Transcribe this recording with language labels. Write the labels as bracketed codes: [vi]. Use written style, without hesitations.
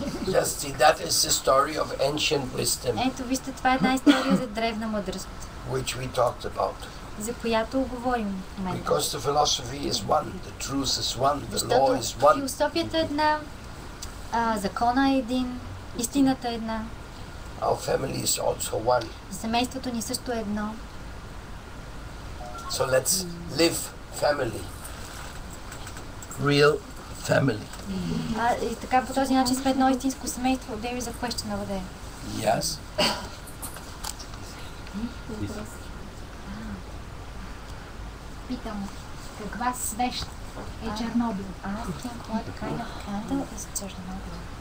[en] Just see, that is the story of ancient wisdom. [bg] Ето вижте, това е една история за древна мъдрост. [en] Which we talked about. [bg] За която говорим. [en] Because the philosophy is one, the truth is one, the law is one. [bg] Философията е една, закона е един, истината е една. [en] Our family is also one. [bg] Семейството ни също е едно. [en] So let's live family. Real family. [bg] И така по този начин сме едно истинско семейство. [en] There is a question over there. Yes. [bg] Питам, каква свещ е Чернобил? [en] Asking what kind of candle is Chernobyl?